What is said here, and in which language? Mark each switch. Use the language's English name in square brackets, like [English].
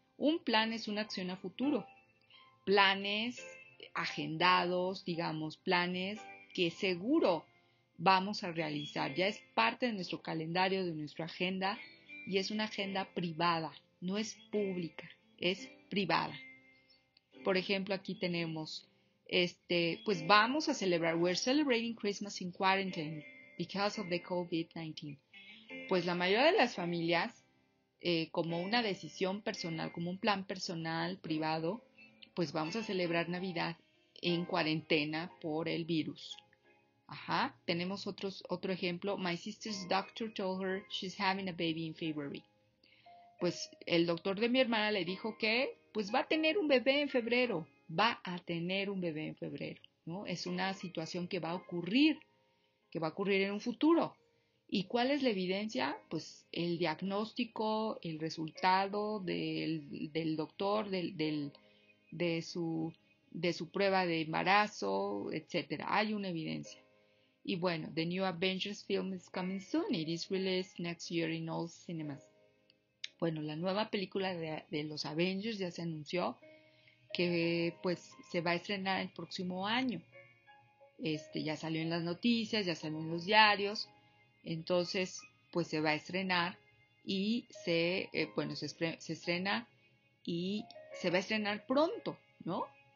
[Spanish] Un plan es una acción a futuro. Planes agendados, digamos, planes que seguro vamos a realizar. Ya es parte de nuestro calendario, de nuestra agenda, y es una agenda privada. No es pública, es privada. Por ejemplo, aquí tenemos, pues vamos a celebrar. [English] We're celebrating Christmas in quarantine because of the COVID-19. [Spanish] Pues la mayoría de las familias, como una decisión personal, como un plan personal, privado, pues vamos a celebrar Navidad en cuarentena por el virus. Ajá, tenemos otro ejemplo. [English] My sister's doctor told her she's having a baby in February. [Spanish] Pues el doctor de mi hermana le dijo que pues va a tener un bebé en febrero. Va a tener un bebé en febrero, ¿no? Es una situación que va a ocurrir en un futuro. ¿Y cuál es la evidencia? Pues el diagnóstico, el resultado del doctor, de su prueba de embarazo, etcétera. Hay una evidencia. Y bueno, [English] the new Avengers film is coming soon. It is released next year in all cinemas. [Spanish] Bueno, la nueva película de los Avengers ya se anunció que pues se va a estrenar el próximo año. Ya salió en las noticias, ya salió en los diarios. Entonces, pues se va a estrenar y se va a estrenar pronto, ¿no?